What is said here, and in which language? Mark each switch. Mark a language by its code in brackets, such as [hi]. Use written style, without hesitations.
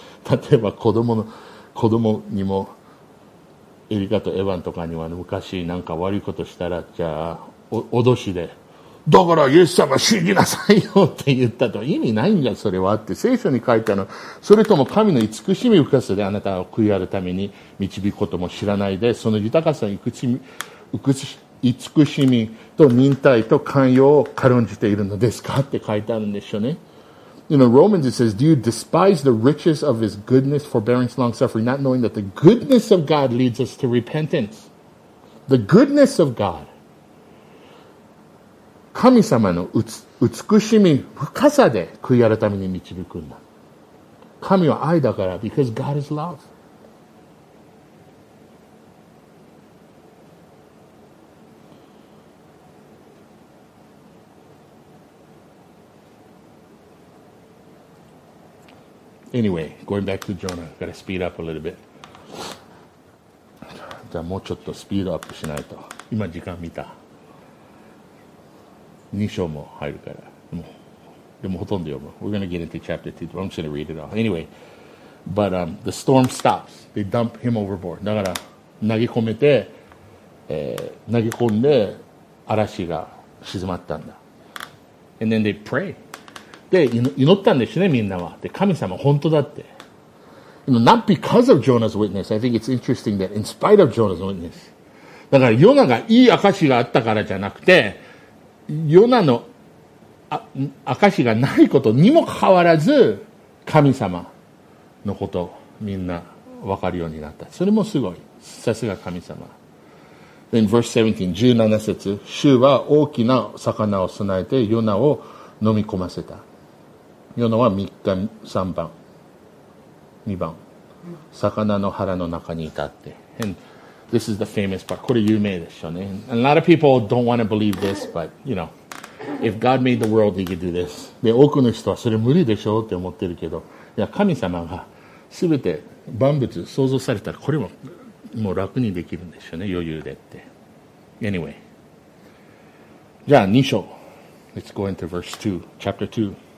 [ja] 例えば子供にもエリカとエヴァンとかには昔なんか悪いことしたらじゃあ脅しでだからイエス様信じなさいよって言ったと意味ないんじゃそれはって聖書に書いたの。それとも神の慈しみ深さであなたを悔い改めに導くことも知らないでその豊かさに慈しみと忍耐と寛容を軽んじているのですかって書いてあるんでしょうね。 [en] you know, Romans, it says, do you despise the riches of his goodness, forbearance, long-suffering, not knowing that the goodness of God leads us to repentance? The goodness of God. [ja] 神様の美しみ深さで悔い改めに導くんだ。神は愛だから、 [en] because God is love. Anyway, going back to Jonah, got to speed up a little bit. [ja] じゃあもうちょっとスピードアップしないと。今時間見た。 2章も入るから。でもほとんど読む。 [en] We're going to get into chapter 2. I'm just going to read it all. Anyway, but the storm stops. They dump him overboard. [ja] だから投げ込んで嵐が静まったんだ。 [en] And then they pray. [ja] で、祈ったんでしょね、みんなは。で、神様、本当だって。 [en] You know, not because of Jonah's witness. I think it's interesting that in spite of Jonah's witness. [ja] だから、ヨナがいい証があったからじゃなくて、ヨナの証がないことにもかかわらず、神様のことみんな分かるようになった。それもすごい。さすが神様。 [en] Then verse 17, 17節。 [ja] 主は大きな魚を備えてヨナを飲み込ませた。ヨナは3日3晩。2晩。魚の腹の中にいたって。 [en] And this is the famous part. [ja] これ有名でしょうね。 [en] A lot of people don't want to believe this, but you know. If God made the world, He could do this. [ja] で、多くの人はそれ無理でしょうって思ってるけど、いや、神様が全て万物創造されたら、これももう楽にできるんでしょうね、余裕でって。 [en] Anyway. [ja] じゃあ、2章。 [en] Let's go into verse 2, chapter 2.